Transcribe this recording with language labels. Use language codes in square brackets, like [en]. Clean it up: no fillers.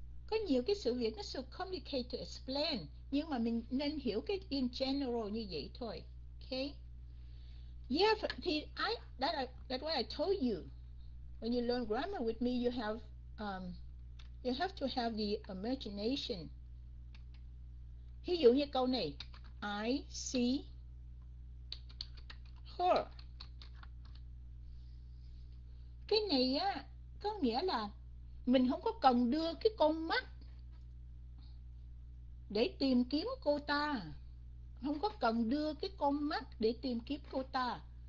[vi] Có nhiều cái sự việc nó [en] so complicated to explain. [vi] Nhưng mà mình nên hiểu cái in general như vậy thôi. [en] Okay. Yeah, [vi] thì [en] that's what I told you. When you learn grammar with me, you have to have the imagination. [vi] Ví dụ như câu này, [en] I see her. [vi] Cái này á có nghĩa là mình không có cần đưa cái con mắt để tìm kiếm cô ta, không có cần đưa cái con mắt để tìm kiếm cô ta.